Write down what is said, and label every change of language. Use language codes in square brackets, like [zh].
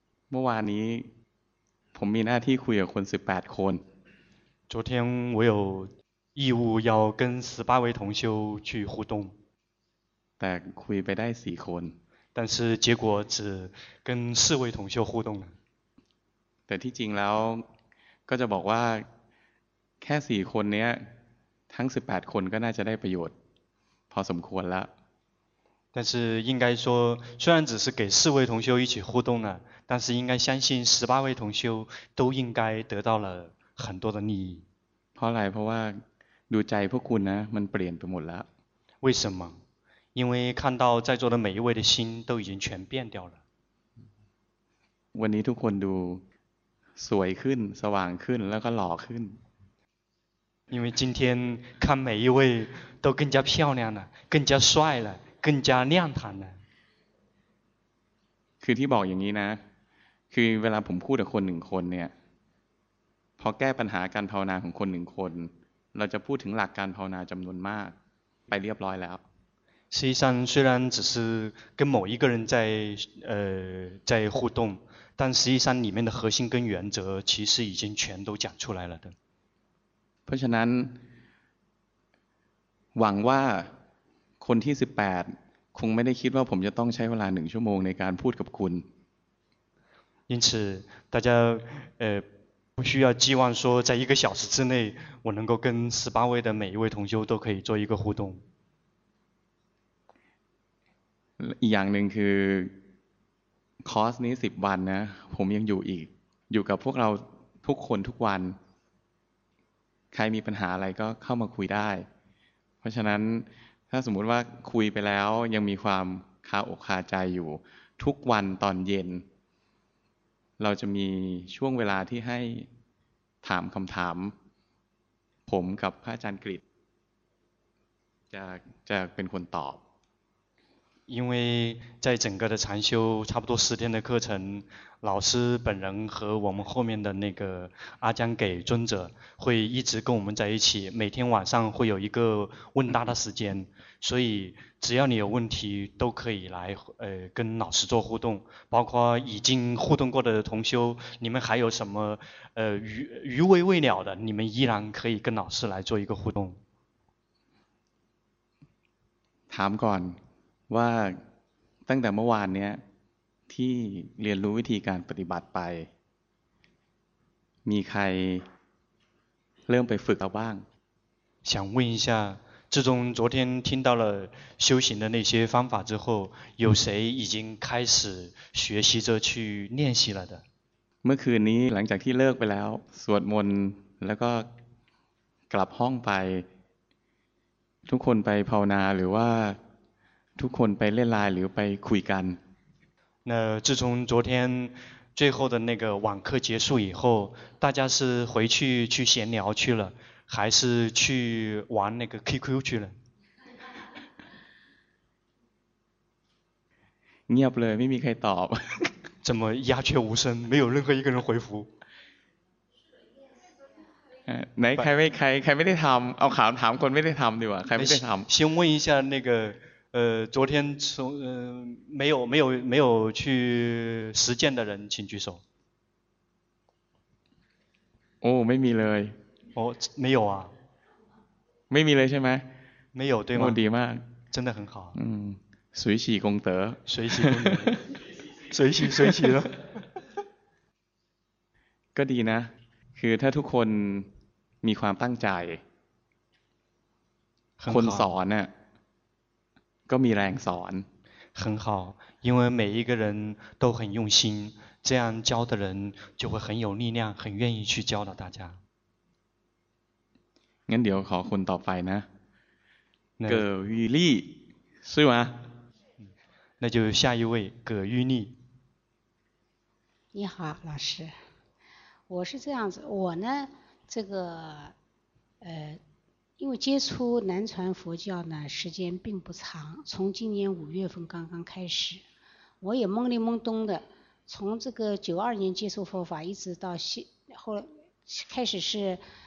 [th] เมื่อวานนี้ผมมีหน้าที่คุยกับคน18 คน [zh] 昨天我有义务要跟18位同修去互动， [th] แต่คุยไปได้4 คน [zh] 但是结果只跟4位同修互动了。 [th] แต่ที่จริงแล้วก็จะบอกว่าแค่4 คนเนี้ยทั้ง18 คนก็น่าจะได้ประโยชน์พอสมควรแล้ว [zh] 但是应该说，虽然只是给4位同修一起互动了，但是应该相信18位同修都应该得到了很多的利益。 [th] เพราะอะไรเพราะว่าดูใจพวกคุณนะมันเปลี่ยนไปหมดแล้ว [zh] 为什么？因为看到在座的每一位的心都已经全变掉了。 [th] วันนี้ทุกคนดูสวยขึ้นสว่างขึ้นแล้วก็หล่อขึ้น [zh] 因为今天看每一位都更加漂亮了，更加帅了。更加亮堂了 [th] คือที่บอกอย่างนี้นะคือเวลาผมพูดกับคนหนึ่งคนเนี่ยพอแก้ปัญหาการภาวนาของคนหนึ่งคนเราจะพูดถึงหลักการภาวนาจำนวนมากไปเรียบร้อยแล้ว [zh] 实际上虽然只是跟某一个人在在互动但实际上里面的核心跟原则其实已经全都讲出来了的 [th] เพราะฉะนั้นหวังว่าคนที่18คงไม่ได้คิดว่าผมจะต้องใช้เวลา1 ชั่วโมงในการพูดกับคุณ [zh] 因此大家不需要寄望说在1小时之内我能够跟18位的每一位同修都可以做一个互动 [th] อีกอย่างนึงคือคอร์สนี้10 วันนะผมยังอยู่อีกอยู่กับพวกเราทุกคนทุกวันใครมีปัญหาอะไรก็เข้ามาคุยได้เพราะฉะนั้นถ้าสมมุติว่าคุยไปแล้วยังมีความคาอกคาใจอยู่ทุกวันตอนเย็นเราจะมีช่วงเวลาที่ให้ถามคำถามผมกับพระอาจารย์กฤษจะเป็นคนตอบ [zh] 因为在整个的禅修差不多10天的课程老师本人和我们后面的那个阿江给尊者会一直跟我们在一起每天晚上会有一个问答的时间所以只要你有问题都可以来跟老师做互动包括已经互动过的同修你们还有什么余味未了的你们依然可以跟老师来做一个互动 [th] ถามก่อนว่าตั้งแต่เมื่อวานเนี้ยที่เรียนรู้วิธีการปฏิบัติไปมีใครเริ่มไปฝึกเอาบ้าง [zh] 想问一下自从昨天听到了修行的那些方法之后有谁已经开始学习着去练习了的 [th] เมื่อคืนนี้หลังจากที่เลิกไปแล้วสวดมนต์แล้วก็กลับห้องไปทุกคนไปภาวนาหรือว่าทุกคนไปเล่นไลน์หรือไปคุยกัน [zh] 那自从昨天最后的那个网课结束以后大家是回去去闲聊去了还是去玩那个 QQ 去了 [th] เงียบเลยไม่มีใครตอบ [zh] 怎么鸦雀无声没有任何一个人回复 [th] ไหนใครไม่ใครไม่ได้ทำเอาขาถามคนไม่ได้ทำดีกว่าใครไม่ได้ทำ [zh] 先问一下那个昨天从没有去实践的人请举手 [th] โอ้ไม่มีเลย โอ้ไม่ [zh] 有啊 [th] ไม่มีเลยใช่ไหม ไม่ [zh] 有对吗 [th] ดีมาก [zh] 真的很好 [th] สุยฉีกงเต๋อ สุยฉีกงเต๋อสุยฉีสุยฉีแล้ว ก็ดีนะคือถ้าทุกคนมีความตั้งใจคนสอนเนี่ยก็มีแรงสอน [zh] 很好因为每一个人都很用心这样教的人就会很有力量很愿意去教导大家 [th] งั้นเดี๋ยวขอคนต่อไปนะเก๋อวีลี่ใช่ไหม [zh] 那就下一位葛玉丽你好老师我是这样子我呢这个因为接触南传佛教呢时间并不长从今年5月份刚刚开始我也懵里懵懂的从这个92年接触佛法一直到后开始是